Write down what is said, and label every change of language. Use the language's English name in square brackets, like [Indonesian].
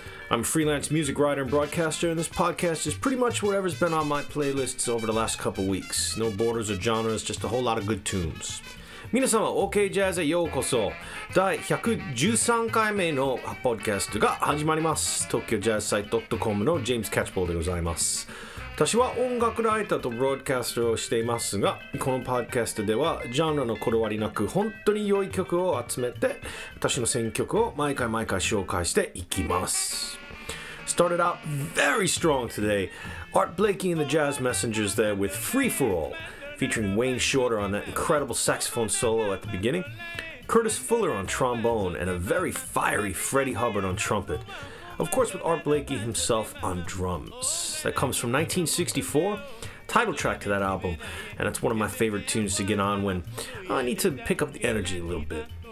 [English] I'm a freelance music writer and broadcaster, and this podcast is pretty much whatever's been on my playlists over the last couple weeks. No borders or genres, just a whole lot of good tunes. [Japanese] 皆様、OK Jazz へようこそ。第113回目のポッドキャストが始まります。 tokyojazzsite.com のジェームス・キャッチポールでございます。私は音楽ライターとブロードキャスターをしていますが、このポッドキャストではジャンルのこだわりなく本当に良い曲を集めて、私の選曲を毎回毎回紹介していきます。 [English] Started out very strong today. Art Blakey and the Jazz Messengers there with Free For All. Featuring Wayne Shorter on that incredible saxophone solo at the beginning, Curtis Fuller on trombone, and a very fiery Freddie Hubbard on trumpet. Of course, with Art Blakey himself on drums. That comes from 1964, title track to that album, and it's one of my favorite tunes to get on when I need to pick up the energy a little bit.